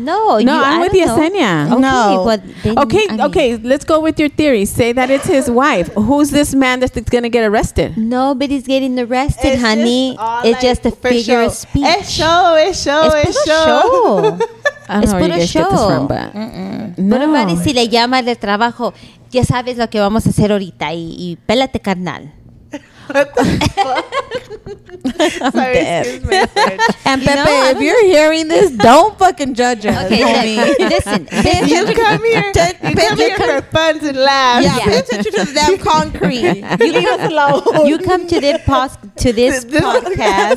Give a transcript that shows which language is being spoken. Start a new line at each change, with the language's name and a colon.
English: No, I'm with Yesenia. No. Okay, let's go with your theory. Say that it's his wife. Who's this man that's going to get arrested? Nobody's getting arrested, honey. Just it's like just a figure show. Of speech. It's a show. I don't know it's where you guys show. Get this from, but no.
Spanish: Si le llama de trabajo, ya sabes lo que vamos a hacer ahorita y pélate, carnal.
English: What the fuck? Sorry, excuse me. And you Pepe, know, if you're hearing this, don't fucking judge us. Okay, homie. Listen. You come here, you come here for fun and laughs. Yeah. Pay attention to the damn concrete. You leave us alone. You come to this, this podcast.